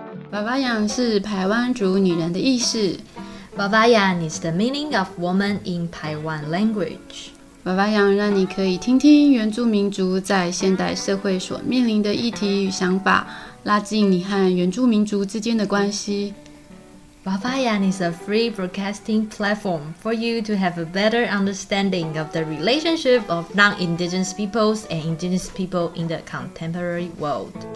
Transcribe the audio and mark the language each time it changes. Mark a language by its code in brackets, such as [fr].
[zh] 爸爸雅是台湾族女人的意思。 [en] 爸爸雅 is the meaning of woman in Taiwan language。 [zh] 爸爸雅让你可以听听原住民族在现代社会所面临的议题与想法，拉近你和原住民族之间的关系。 [en] 爸爸雅 is a free broadcasting platform for you to have a better understanding of the relationship of non-indigenous peoples and indigenous people in the contemporary world.